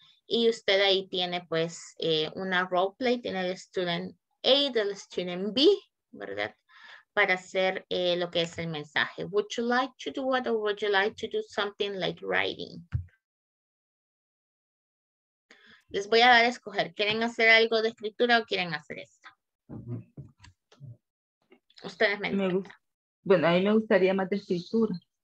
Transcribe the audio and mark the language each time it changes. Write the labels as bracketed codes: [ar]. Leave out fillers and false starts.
[es] Y usted ahí tiene pues una role play. Tiene el student A, del student B, ¿verdad? Para hacer lo que es el mensaje. [en] Would you like to do what or would you like to do something like writing? [es] Les voy a dar a escoger. ¿Quieren hacer algo de escritura o quieren hacer esto? Ustedes me gusta. Bueno, a mí me gustaría más de escritura.